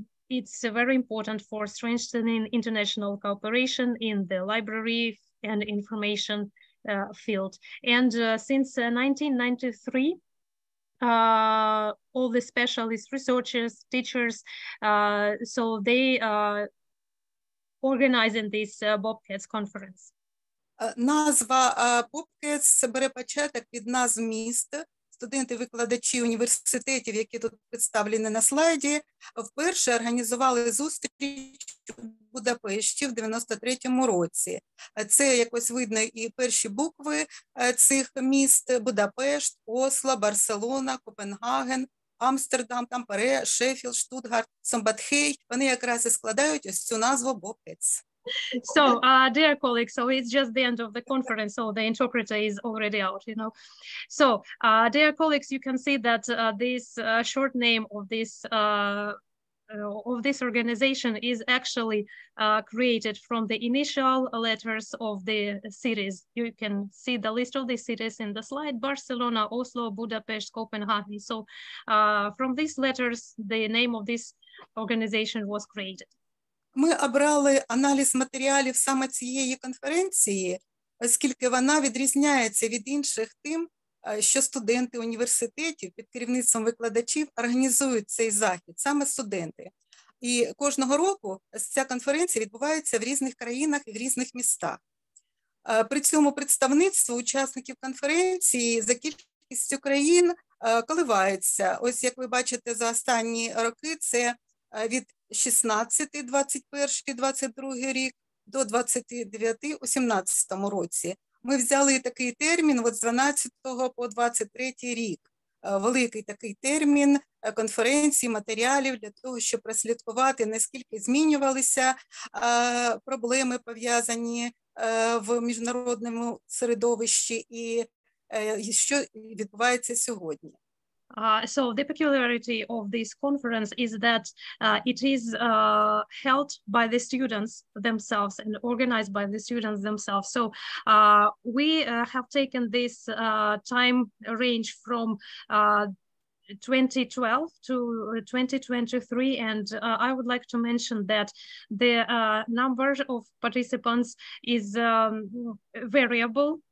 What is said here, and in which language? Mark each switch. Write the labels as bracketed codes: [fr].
[en] It's very important for strengthening international cooperation in the library and information field. And since 1993, all the specialist researchers, teachers, so they organizing this Bobcats conference. [uk] Назва Bobcats бере початок від назв міст. Студенти-викладачі університетів, які тут представлені на слайді, вперше організували зустріч у Будапешті в 93-му році. Це якось видно і перші букви цих міст: Будапешт, Осло, Барселона, Копенгаген, Амстердам, Тампере, Шеффілд, Штутгарт, Сомбатхей. Вони якраз і складають ось цю назву Bobcats. [en] So, dear colleagues, so it's just the end of the conference, so the interpreter is already out, you know. So, dear colleagues, you can see that this short name of this organization is actually created from the initial letters of the cities. You can see the list of the cities in the slide: Barcelona, Oslo, Budapest, Copenhagen. So, from these letters, the name of this organization was created. [uk] Ми обрали аналіз матеріалів саме цієї конференції, оскільки вона відрізняється від інших тим, що студенти університетів під керівництвом викладачів організують цей захід, саме студенти. І кожного року ця конференція відбувається в різних країнах і в різних містах. При цьому представництво учасників конференції за кількістю країн коливається. Ось, як ви бачите, за останні роки це від 16, 21, 22 рік до 29 у 17 році. Ми взяли такий термін от з 12 по 23 рік. Великий такий термін конференції, матеріалів для того, щоб прослідкувати, наскільки змінювалися проблеми, пов'язані в міжнародному середовищі, і що відбувається сьогодні. [en] So the peculiarity of this conference is that it is held by the students themselves and organized by the students themselves. So we have taken this time range from 2012 to 2023, and I would like to mention that the number of participants is variable.